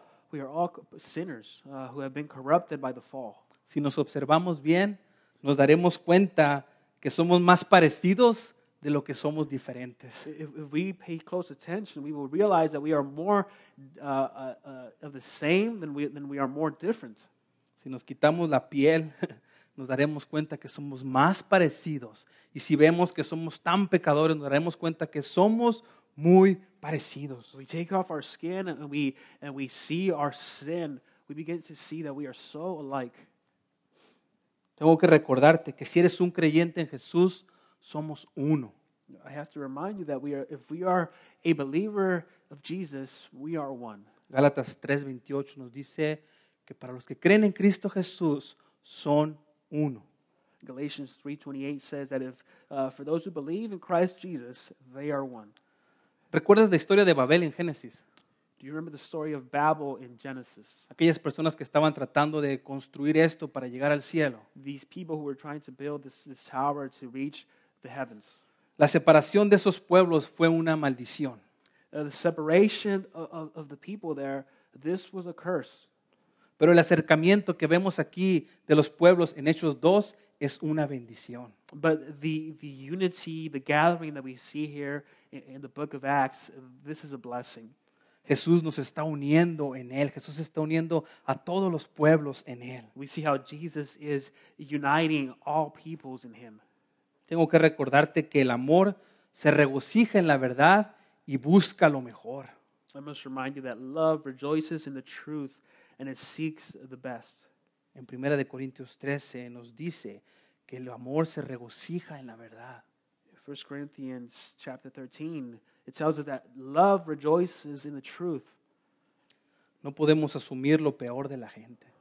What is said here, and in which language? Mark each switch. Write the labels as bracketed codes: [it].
[en] We are all sinners who have been corrupted by the fall. [es] Si nos observamos bien, nos daremos cuenta que somos más parecidos de lo que somos diferentes. [en] If we pay close attention, we will realize that we are more of the same than we are more different. [es] Si nos quitamos la piel, nos daremos cuenta que somos más parecidos. Y si vemos que somos tan pecadores, nos daremos cuenta que somos muy parecidos. [en] We take off our skin and we see our sin. We begin to see that we are so alike. [es] Tengo que recordarte que si eres un creyente en Jesús, somos uno. [en] I have to remind you that if we are a believer of Jesus, we are one. [es] Gálatas 3:28 nos dice que para los que creen en Cristo Jesús, son uno. [en] Galatians 3:28 says that for those who believe in Christ Jesus, they are one. [es] ¿Recuerdas la historia de Babel en Génesis? [en] Do you remember the story of Babel in Genesis? [es] Aquellas personas que estaban tratando de construir esto para llegar al cielo. [en] These people who were trying to build this tower to reach the heavens. [es] La separación de esos pueblos fue una maldición. [en] The separation of the people there, this was a curse. [es] Pero el acercamiento que vemos aquí de los pueblos en Hechos 2 es una bendición. [en] But the unity, the gathering that we see here in the book of Acts, this is a blessing. [es] Jesús nos está uniendo en Él. Jesús está uniendo a todos los pueblos en Él. [en] We see how Jesus is uniting all peoples in Him. [es] Tengo que recordarte que el amor se regocija en la verdad y busca lo mejor. [en] I must remind you that love rejoices in the truth and it seeks the best. [es] En 1 Corintios 13 nos dice que el amor se regocija en la verdad. [en] 1 Corinthians chapter 13, it tells us that love rejoices in the truth. [es] No podemos asumir lo peor de la gente.